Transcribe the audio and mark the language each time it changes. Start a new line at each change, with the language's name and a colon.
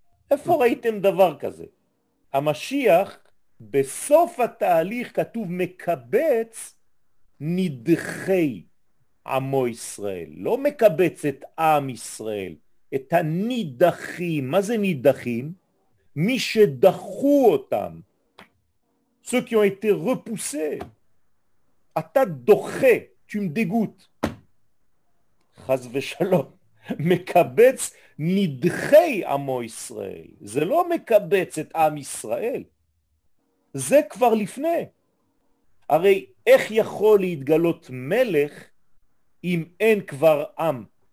Hebrew: איפה ראיתם דבר כזה? המשיח בסוף התהליך כתוב מקבץ נדחי עמו ישראל, לא מקבץ את עם ישראל, את הנידחים. מה זה נידחים? מי שדחו אותם,
French: ceux qui ont été repoussés.
Hebrew: אתה דוחה,
French: tu me dégoûtes,
Hebrew: חס ושלום. מקבץ נדחי עמו ישראל, זה לא מקבץ את עם ישראל, זה כבר לפני. הרי איך יכול להתגלות מלך אם אין כבר עם?